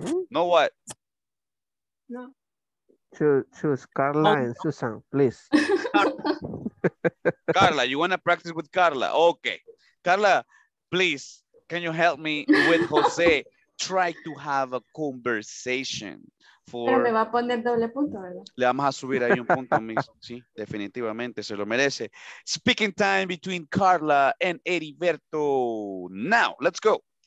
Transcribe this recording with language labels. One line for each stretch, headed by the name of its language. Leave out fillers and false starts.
English: No what? No. Choose Carla and Susan, please. Carla, you want to practice with Carla? Okay. Carla, please, can you help me with Jose? Try to have a conversation for...
Spanish: Pero me va a poner doble punto, ¿verdad? Le vamos a subir ahí un punto, mis, sí, definitivamente, se lo merece.
English: Speaking time between Carla and Heriberto. Now, let's go.